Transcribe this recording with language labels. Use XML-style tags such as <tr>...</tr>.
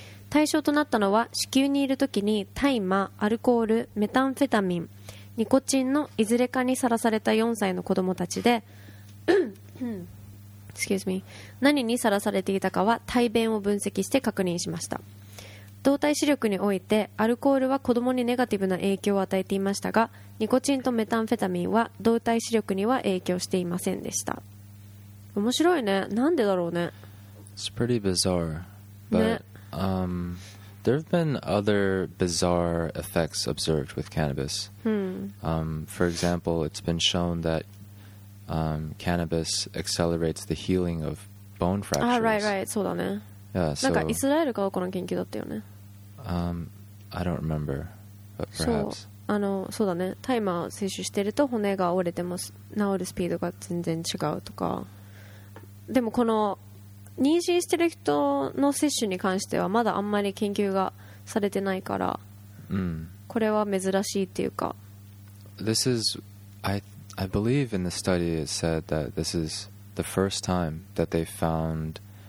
<ja>対象となったのは、子宮にいるときに大麻、アルコール、メタンフェタミン、ニコチンのいずれかにさらされた4歳の子どもたちで、</ja> <en>excuse me、</en> <ja>何にさらされていたかは胎便を分析して確認しました。動体視力においてアルコールは子どもにネガティブな影響を与えていましたが、ニコチンとメタンフェタミンは動体視力には影響していませんでした。面白いね。なんでだろうね。</ja> <en>It's pretty bizarre. But、</en> <ja>ね、</ja> <en>there have been other bizarre effects observed with cannabis.、For example, it's been shown that、cannabis accelerates the healing of bone fractures. Ah, right, right.</en> <ja>そうだね。</ja> <en>Yeah,</en> <ja>so, なんかイスラエルかどこの研究だったよね。</ja> <en>I don't remember, but perhaps.</en> <ja>そうだね。タイマーを摂取してると骨が折れても治るスピードが全然違うとか。でもこの妊娠してる人の摂取に関してはまだあんまり研究がされてないから、これは珍しいっていうか。</ja> <en>This is, I believe in the study it said that this is the first time that they found.</en>